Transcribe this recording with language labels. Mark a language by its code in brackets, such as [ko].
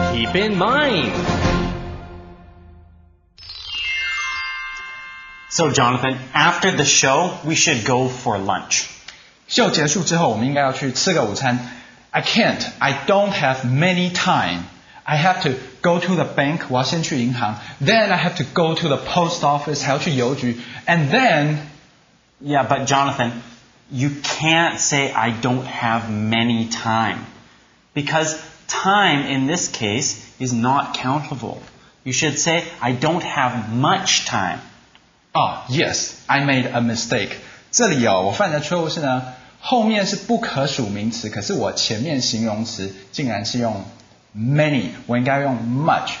[en] In mind. So, Jonathan, after the show, we should go for lunch. [zh] 秀结束之后，我们应该要去吃个午餐。 [en] I can't. I don't have many time. I have to go to the bank. [zh] 我要先去银行。 [en] Then I have to go to the post office. [zh] 还要去邮局。 [en] And then... Yeah, but Jonathan, you can't say I don't have many time. Because time, in this case, is not countable. You should say I don't have much time. Oh, yes, I made a mistake. [zh] 这里哦，我犯的错误是呢，后面是不可数名词，可是我前面形容词竟然是用 many, 我应该用 much.